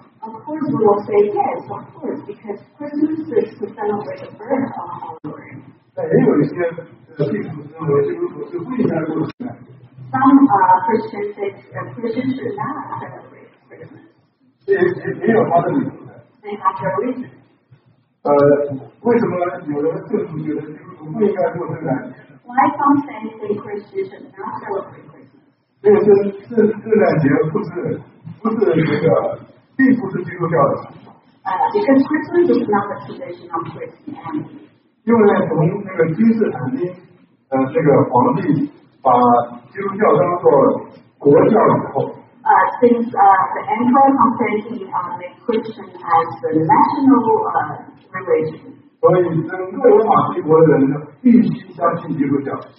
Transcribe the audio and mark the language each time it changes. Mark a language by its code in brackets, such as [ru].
[en] of course, we will say yes, of course, because Christmas is to celebrate the birth of our Lord. Some Christians say that Christians should not celebrate Christmas. They have their reasons. [zh] 为什么有的基督徒觉得基督徒不应该过圣诞节？ [en] Why some say that Christians should not celebrate Christmas? [zh] 这个圣诞节不是基督教的。 [en] Because Christmas is not a tradition of Christianity. [zh] 因为从那个君士坦丁，这个皇帝把基督教当做国教以后。 [en] Since the emperor Constantine made Christian as the national religion. [zh] 所以整个罗马帝国人必须相信基督教。